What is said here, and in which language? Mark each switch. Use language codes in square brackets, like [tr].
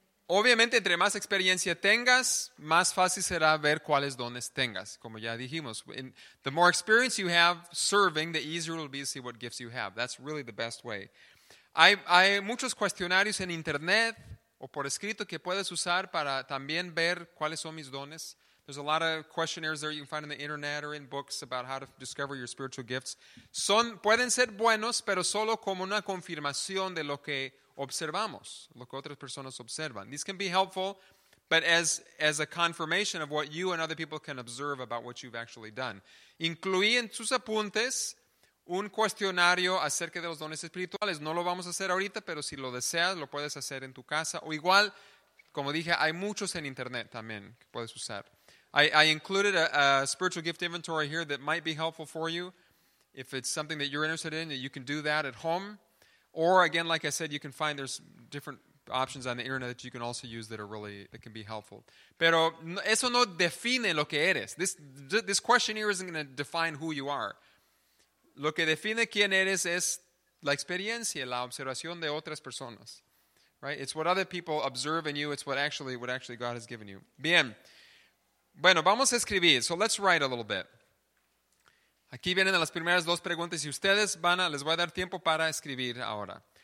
[es] Obviamente, entre más experiencia tengas, más fácil será ver cuáles dones tengas, como ya dijimos. [en] The more experience you have serving, the easier it will be to see what gifts you have. That's really the best way. [es] Hay muchos cuestionarios en internet o por escrito que puedes usar para también ver cuáles son mis dones. [en] There's a lot of questionnaires there you can find on the internet or in books about how to discover your spiritual gifts. [es] Son, pueden ser buenos, pero solo como una confirmación de lo que observamos, lo que otras personas observan. [en] These can be helpful, but as a confirmation of what you and other people can observe about what you've actually done. [es] Incluí en sus apuntes un cuestionario acerca de los dones espirituales. No lo vamos a hacer ahorita, pero si lo deseas, lo puedes hacer en tu casa. O igual, como dije, hay muchos en internet también que puedes usar. [en] I included a spiritual gift inventory here that might be helpful for you. If it's something that you're interested in, you can do that at home. Or again, like I said, you can find there's different options on the internet that you can also use that are really, that can be helpful. [es] Pero eso no define lo que eres. [en] This questionnaire isn't going to define who you are. [es] Lo que define quién eres es la experiencia, la observación de otras personas. [en] Right? It's what other people observe in you. It's what actually God has given you. Bien. [es] Bueno, vamos a escribir. [en] So let's write a little bit. [es] Aquí vienen las primeras dos preguntas y ustedes les voy a dar tiempo para escribir ahora.